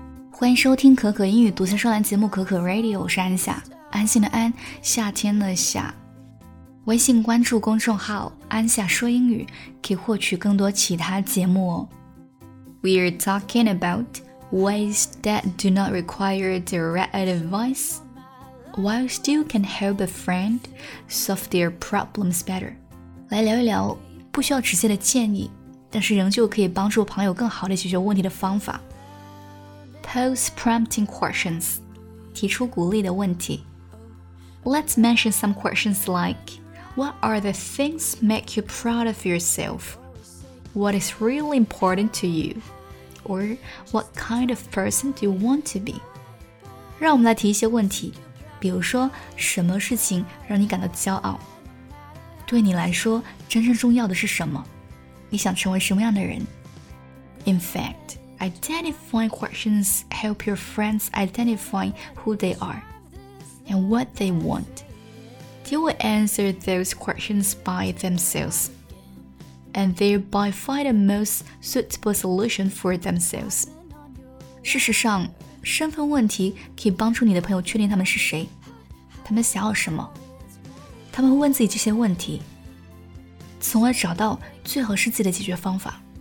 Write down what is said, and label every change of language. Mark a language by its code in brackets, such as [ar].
[zh] 欢迎收听可可英语独家专栏节目可可 Radio， 我是安夏，安心的安，夏天的夏。微信关注公众号安夏说英语，可以获取更多其他节目哦。 [en] We are talking about ways that do not require direct advice, while still can help a friend solve their problems better. [zh] 来聊一聊不需要直接的建议，但是仍旧可以帮助朋友更好地解决问题的方法。 [en] Pose prompting questions, [zh] 提出鼓励的问题。 [en] Let's mention some questions like, What are the things make you proud of yourself? What is really important to you? Or what kind of person do you want to be? [zh] 让我们来提一些问题，比如说什么事情让你感到骄傲？对你来说真正重要的是什么？你想成为什么样的人？ [en] In fact,Identifying questions help your friends identify who they are and what they want. They will answer those questions by themselves, and thereby find the most suitable solution for themselves. [zh] 事实上，身份问题可以帮助你的朋友确定他们是谁，他们想要什么。他们会问自己这些问题，从而找到最合适自己的解决方法。